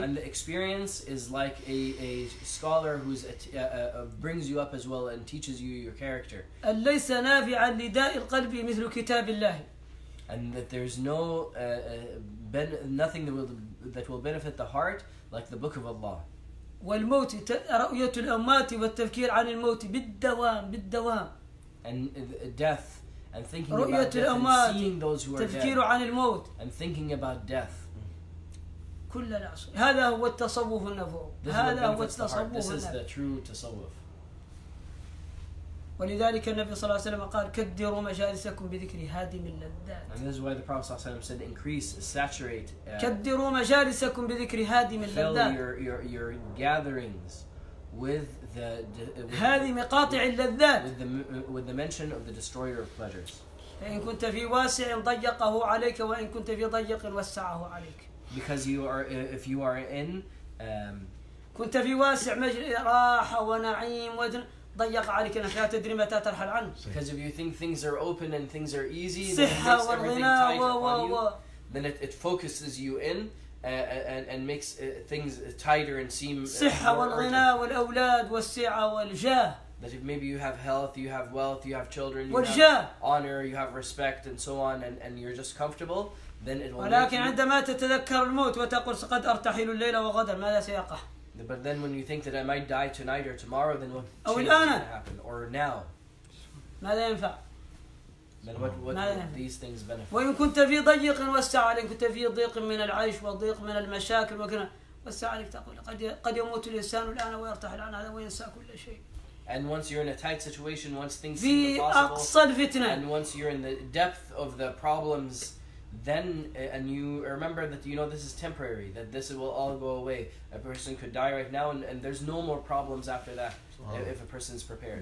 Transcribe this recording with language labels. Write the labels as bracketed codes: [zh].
[en] And the experience is like a scholar who's brings you up as well and teaches you your character. [ar] ليس نافعا لداء القلب مثل كتاب الله. [en] And that there's no nothing that will benefit the heart like the book of Allah. [ar] والموت رؤية الأموات والتفكير عن الموت بالدوام. [en] And death. And thinking about death and seeing those who are dead. And thinking about death. [ar] كل العصر. هذا هو التصوف النبوي. هذا هو التصوف. [en] This is the true تصوف. [ar] ولذلك النبي صلى الله عليه وسلم قال كدروا مجالسكم بذكر هادم اللذات. [en] And this is why the Prophet [ar] صلى الله عليه وسلم [en] said increase, saturate. [ar] كدروا مجالسكم بذكر هادم اللذات. [en] Fill your gatherings. With the [ar] هذه مقاطع اللذات [en] with the mention of the destroyer of pleasures. [ar] فإن كنت في واسع ضيقه عليك وإن كنت في ضيق وسعه عليك. [en] Because you are if you are in [ar] كنت في واسع مجل راحة ونعيم ودن ضيق عليك لأنك لا تدري متى ترحل عنه. [en] Because if you think things are open and things are easy [ar] صحة والغناء [en] then it focuses you in and makes things tighter and seem [ar] صحة والغناء والأولاد والسعة والجاه. [en] That if maybe you have health, you have wealth, you have children, you [ar] والجاه. [en] Have honor, you have respect, and so on, and you're just comfortable, then it will. [ar] ولكن [en] make [ar] عندما تتذكر الموت وتقول قد أرتحل الليلة وغدا ماذا سيقع؟ [en] But then when you think that I might die tonight or tomorrow, then what [ar] أو الآن [en] happen or now? [ar] ماذا ينفع؟ [en] Then what do these things benefit? [ar] وإن كنت في ضيق وسع عليك كنت في ضيق من العيش وضيق من المشاكل وكنا وسع عليك تقول قد يموت الإنسان الآن ويرتحل عن هذا وينسى كل شيء. [en] And once you're in a tight situation, once things seem impossible, and once you're in the depth of the problems, then, and you remember that, you know, this is temporary, that this will all go away. A person could die right now, and there's no more problems after that, if a person is prepared.